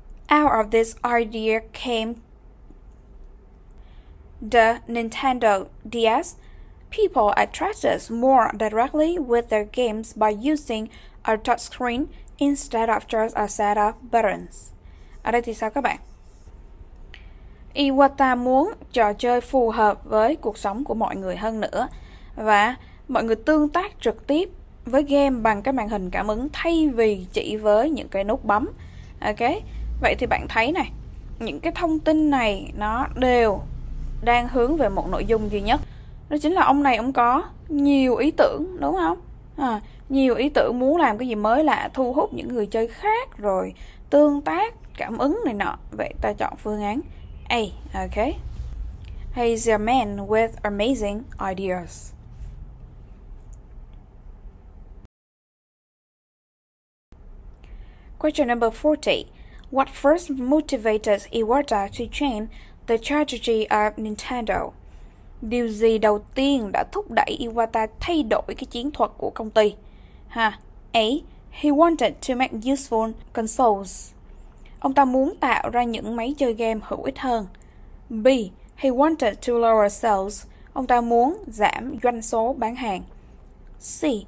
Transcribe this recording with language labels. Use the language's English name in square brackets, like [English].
[English] Out of this idea came the Nintendo DS. People attracted more directly with their games by using a touchscreen instead of just a set of buttons. [Vietnamese] Ở đây thì sao các bạn? Iwata muốn trò chơi phù hợp với cuộc sống của mọi người hơn nữa, và mọi người tương tác trực tiếp với game bằng cái màn hình cảm ứng thay vì chỉ với những cái nút bấm. Ok, vậy thì bạn thấy này, những cái thông tin này nó đều đang hướng về một nội dung duy nhất, đó chính là ông này ông có nhiều ý tưởng, đúng không? Nhiều ý tưởng muốn làm cái gì mới lạ, thu hút những người chơi khác, rồi tương tác cảm ứng này nọ. Vậy ta chọn phương án A. [English] Ok, he's a man with amazing ideas. Question number 40. What first motivated Iwata to change the strategy of Nintendo? [Vietnamese] Điều gì đầu tiên đã thúc đẩy Iwata thay đổi cái chiến thuật của công ty? Ha. A. [English] He wanted to make useful consoles. [Vietnamese] Ông ta muốn tạo ra những máy chơi game hữu ích hơn. B. [English] He wanted to lower sales. [Vietnamese] Ông ta muốn giảm doanh số bán hàng. C.